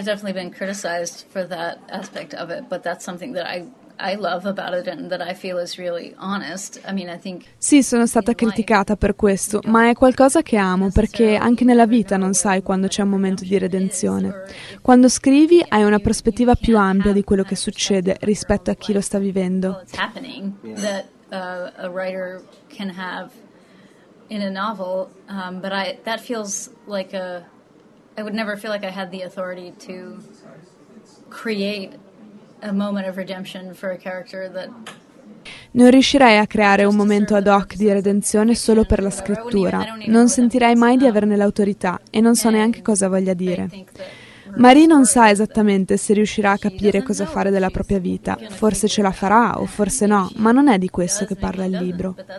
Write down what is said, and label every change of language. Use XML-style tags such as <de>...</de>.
<en>Been criticized for that aspect of it, but that's something that I I love about it and that I feel is really honest. I mean, I think.</en> <it>Sì, sono stata criticata per questo, ma è qualcosa che amo, perché anche nella vita non sai quando c'è un momento di redenzione. Quando scrivi hai una prospettiva più ampia di quello che succede rispetto a chi lo sta vivendo.</it> <en>That a writer can have in a novel, but I that feels like a I would never feel like I had the authority to create a moment of redemption for a character that.</en> <it>Non riuscirei a creare un momento ad hoc di redenzione solo per la scrittura. Non sentirei mai di averne l'autorità e non so neanche cosa voglia dire. Marie non sa esattamente se riuscirà a capire cosa fare della propria vita. Forse ce la farà o forse no, ma non è di questo che parla il libro.</it>